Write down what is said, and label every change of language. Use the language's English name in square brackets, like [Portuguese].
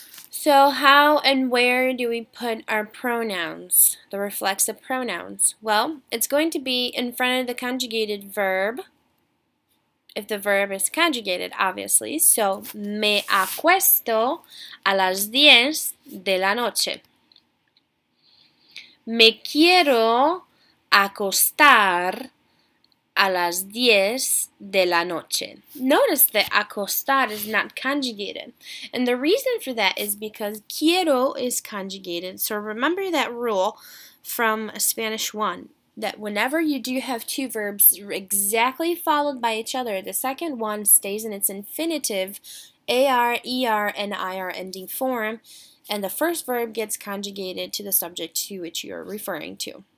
[English] So how and where do we put our pronouns, the reflexive pronouns? Well, it's going to be in front of the conjugated verb, if the verb is conjugated, obviously. [Spanish] So, me acuesto a las 10 de la noche. Me quiero acostar a las 10 de la noche. [English] Notice that acostar is not conjugated. And the reason for that is because quiero is conjugated. So remember that rule from Spanish 1. that whenever you do have two verbs exactly followed by each other, the second one stays in its infinitive AR, ER, and IR ending form, and the first verb gets conjugated to the subject to which you're referring to.